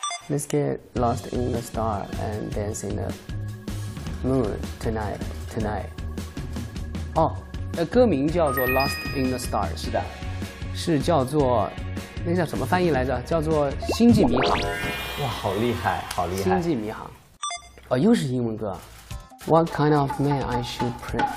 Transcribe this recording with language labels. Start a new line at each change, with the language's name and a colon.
English: Let's get lost in the star and dance in the moon tonight。哦。
Chinese: 歌名叫做 Lost in the Star，是的，是叫做，那个叫什么翻译来着？叫做《星际迷航》。哇，好厉害，好厉害！星际迷航，哦，又是英文歌。
English: What kind of man I should pray？